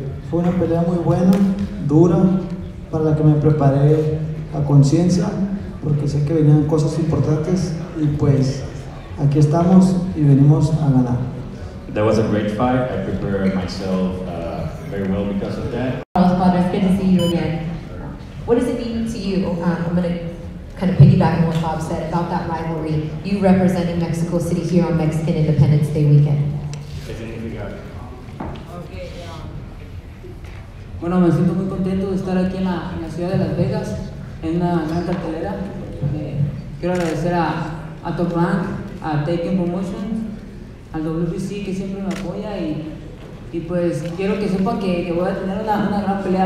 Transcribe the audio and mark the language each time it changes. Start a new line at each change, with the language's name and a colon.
Spanish: Fue una pelea muy buena, dura, para la que me preparé a conciencia, porque sé que venían cosas importantes, y pues aquí estamos y venimos a ganar.
English: That was a great fight. I prepared myself very well because of that. Carlos Padre, it's good to see you again. What does it mean to you? I'm going to kind of piggyback on what Bob said about that rivalry. You representing Mexico City here on Mexican Independence Day weekend.
Spanish: Bueno, me siento muy contento de estar aquí en la ciudad de Las Vegas, en una gran cartelera. Quiero agradecer a Top Rank, a Taken Promotions, al WBC que siempre me apoya y pues quiero que sepan que voy a tener una gran pelea.